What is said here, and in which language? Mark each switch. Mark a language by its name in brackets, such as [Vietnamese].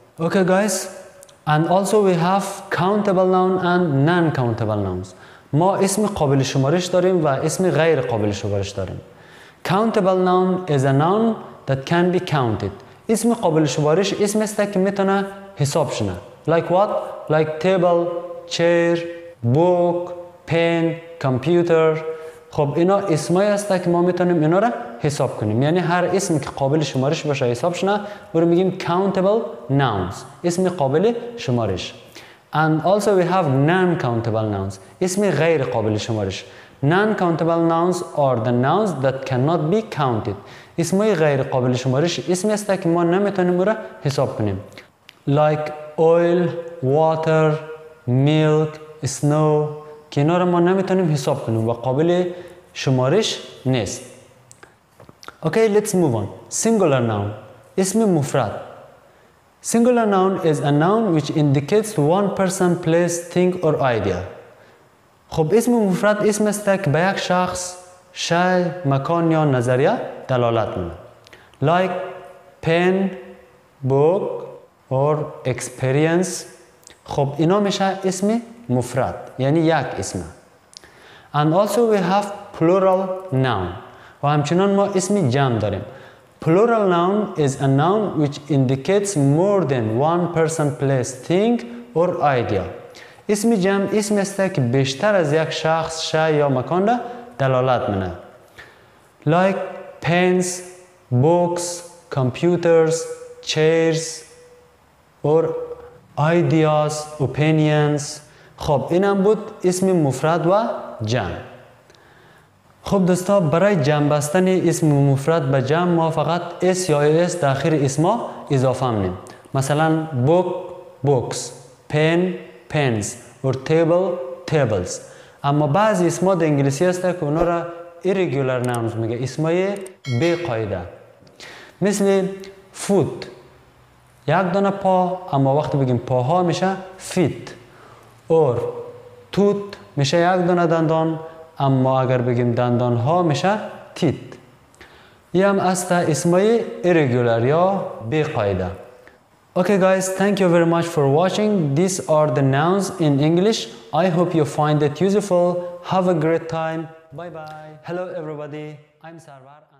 [English] Okay guys, and also we have countable noun and non-countable nouns. [Persian] ما اسم قابل شمارش داریم و اسم غیر قابل شمارش داریم. [English] Countable noun is a noun that can be counted. [Persian] اسم قابل شمارش اسم است که میتونه حساب شنه. [English] Like what? Like table, chair, book, pen, computer. [Persian] خب اینا اسمایی است که ما میتونیم اینا را حساب کنیم. یعنی هر اسم که قابل شمارش باشه حساب شنه و رو میگیم countable nouns. اسم قابل شمارش. [English] And also we have non-countable nouns. [Persian] اسم غیر قابل شمارش. [English] Non-countable nouns are the nouns that cannot be counted. [Persian] اسمای غیر قابل شمارش اسمی است که ما نمیتونیم او را حساب کنیم. [English] Like oil, water, milk, snow. [Persian] که اینا را ما نمیتونیم حساب کنیم و قابل شمارش نیست. [English] Okay, let's move on. Singular noun. اسم مفرد. Singular noun is a noun which indicates one person, place, thing or idea. [Persian] خب اسم مفرد اسم است که به یک شخص، شی، مکان یا نظریه دلالت می‌کند. [English] Like pen, book or experience. [Persian] خب اینا میشه اسم مفرد، یعنی یک اسم. [English] And also we have plural noun. [Persian] و همچنان ما اسم جمع داریم. [English] Plural noun is a noun which indicates more than one person, place, thing or idea. [Persian] اسم جمع اسم است که بیشتر از یک شخص، شی یا مکان را دلالت می‌کند. [English] Like pens, books, computers, chairs or ideas, opinions. [Persian] خب اینم بود اسم مفرد و جمع. خب دوستا برای جمع بستن اسم مفرد به جمع ما فقط اس یا اس در آخر اسما اضافه می‌کنیم. [English] مثلا book, books, pen, pens or table, tables. [Persian] اما بعضی اسما در انگلیسی هست که اونا را irregular nouns میگه، اسمای بی قاعده. مثل foot، یک دانه پا، اما وقتی بگیم پاها میشه feet. اور توت میشه یک دانه دندان، اما اگر بگیم دندان ها میشه تیت. یه هم از تا اسمای irregular یا بی قاعده. [English] Okay guys, thank you very much for watching. These are the nouns in English. I hope you find it useful. Have a great time. Bye bye. Hello everybody. I'm Sarvar.